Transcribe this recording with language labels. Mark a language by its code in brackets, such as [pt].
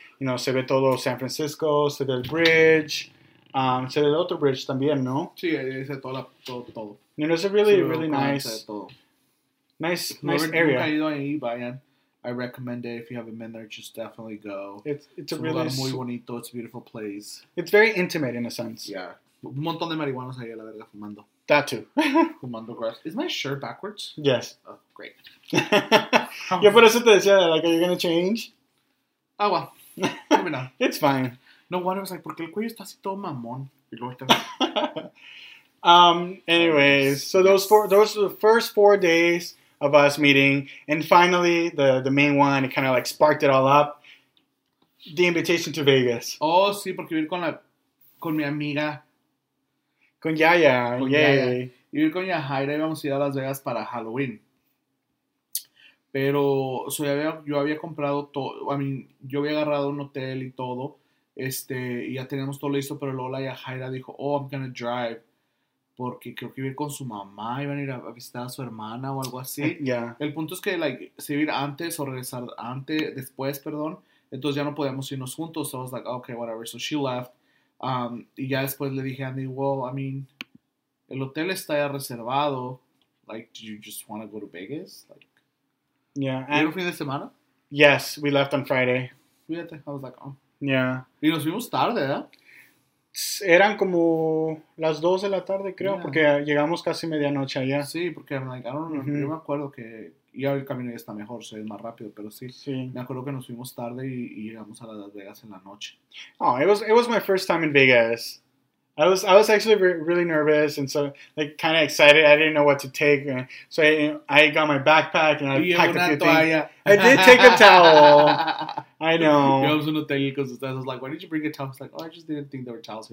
[en] You know, [es] se ve todo San Francisco, se ve el bridge. Se ve el otro bridge también, ¿no? Sí, ahí se ve todo. [en] You know, it's a really, really nice. Nice area. I recommend it. If you haven't been there, just definitely go. It's a really... [es] Muy bonito. [en] It's a beautiful place. It's very intimate in a sense. Yeah. [es] Un montón de marihuanos ahí, la verdad, fumando. [en] That too. [es] Fumando [en] grass. Is my shirt backwards? Yes. Oh, great. [es] Yo por eso te decía, like, [en] are you going to change? Ah, well. Maybe not. It's fine. No wonder. I was like, [es] ¿por qué el cuello está así todo mamón? Y luego está... [en] Anyways, so yes. Those were the first 4 days of us meeting, and finally, the main one, it kind of like sparked it all up, the invitation to Vegas. [es] Oh, sí, porque ir con mi amiga. Con Yaya, con yay. Ir con Yahaira, íbamos a ir a Las Vegas para Halloween. Pero so yo había comprado todo, I mean, yo había agarrado un hotel y todo, y ya teníamos todo listo, pero luego la Yahaira dijo, [en] oh, I'm gonna drive. [es] Porque creo que iba a ir con su mamá, iban a ir a visitar a su hermana o algo así. [en] Yeah. [es] El punto es que, like, se iba a ir antes o regresar antes, después, perdón. Entonces ya no podíamos irnos juntos. [en] So I was like, okay, whatever. So she left. [es] Y ya después le dije a Andy, [en] well, I mean, [es] el hotel está ya reservado. [en] Like, do you just want to go to Vegas? Like, yeah. [es] ¿Y el fin de semana? [en] Yes, we left on Friday. [es] Fíjate, [en] I was like, oh. Yeah. [es] Y nos fuimos tarde, ¿verdad? Eran como las 2 de la tarde, creo, yeah. Porque llegamos casi medianoche allá. Sí, porque [en] like, I don't know, [es] mm-hmm. Yo me acuerdo que ya el camino ya está mejor, se ve más rápido, pero sí. Me acuerdo que nos fuimos tarde y llegamos a Las Vegas en la noche. [en] Oh, it was my first time in Vegas. I was actually really nervous and so like kind of excited. I didn't know what to take. So I got my backpack and I packed a few things. I did take a towel. I know. I was in a hotel because I was like, why did you bring a towel? I was like, oh, I just didn't think there were towels.